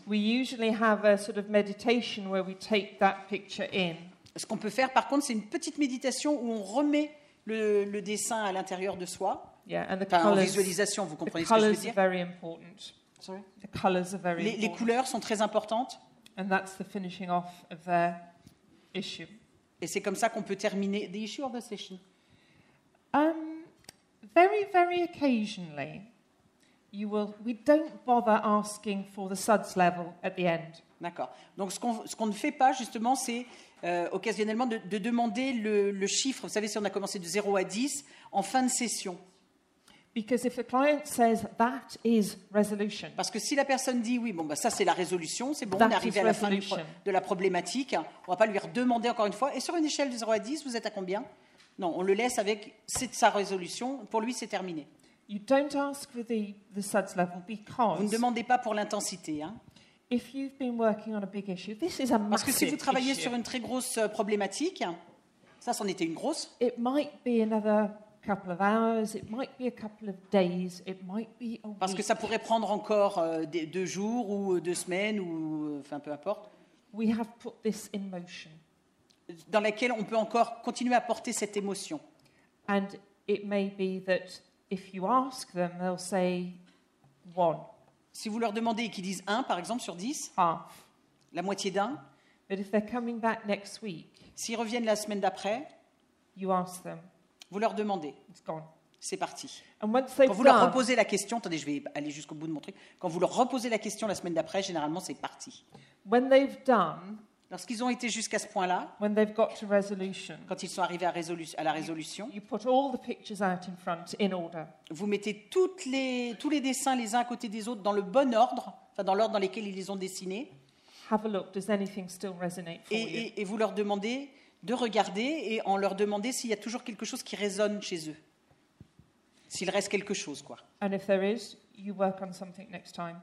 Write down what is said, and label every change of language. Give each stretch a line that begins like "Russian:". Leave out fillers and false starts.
English: We usually have a sort of meditation where we take that picture in.
French: Ce qu'on peut faire, par contre, c'est une petite méditation où on remet le dessin à l'intérieur de soi.
English: Yeah, and the colors.
French: En visualisation, vous comprenez ce que je veux dire.
English: The colors are very important. Sorry. The colors are very important.
French: Les couleurs sont très importantes.
English: And that's the finishing off of the issue.
French: Et c'est comme ça qu'on peut terminer
English: the issue or the session. Very, very occasionally. We don't bother asking for the suds level at the end.
French: D'accord. Donc ce qu'on ne fait pas justement, c'est occasionnellement de demander le chiffre. Vous savez, si on a commencé de 0 à 10 en fin de session.
English: Because if the client says that is resolution.
French: Parce que si la personne dit oui, bon bah ça c'est la résolution, c'est bon, on est arrivé à la fin de la problématique. On va pas lui redemander encore une fois. Et sur une échelle de 0 à 10, vous êtes à combien? Non, on le laisse avec c'est sa résolution. Pour lui, c'est terminé.
English: You don't ask for the suds level because
French: vous ne demandez pas pour l'intensité, hein.
English: If you've been working on a big issue, this is a massive
French: parce que si vous travaillez
English: issue.
French: Sur une très grosse problématique, ça c'en était une grosse.
English: It might be another couple of hours, it might be a couple of days, it might be a week.
French: Parce que ça pourrait prendre encore deux jours ou deux semaines ou enfin peu importe.
English: We have put this in motion.
French: Dans laquelle on peut encore continuer à porter cette émotion.
English: And it may be that if you ask them, they'll say one.
French: Si vous leur demandez et qu'ils disent un, par exemple, sur dix,
English: half.
French: La moitié d'un.
English: But if they're coming back next week,
French: s'ils reviennent la semaine d'après,
English: You ask them.
French: Vous leur demandez.
English: It's gone.
French: C'est parti.
English: And once
French: quand vous leur reposez la question, attendez, je vais aller jusqu'au bout de mon truc. Quand vous leur reposez la question la semaine d'après, généralement, c'est parti.
English: When they've done,
French: lorsqu'ils ont été jusqu'à ce point-là,
English: when they've got to resolution,
French: quand ils sont arrivés à la résolution,
English: you put all the pictures out in front in order.
French: Vous mettez tous les dessins les uns à côté des autres dans le bon ordre, enfin dans l'ordre dans lequel ils les ont dessinés.
English: Have a look. Does anything still resonate for you?
French: Et vous leur demandez de regarder et en leur demandant s'il y a toujours quelque chose qui résonne chez eux. S'il reste quelque chose, quoi.
English: And if there is, you work on something next time.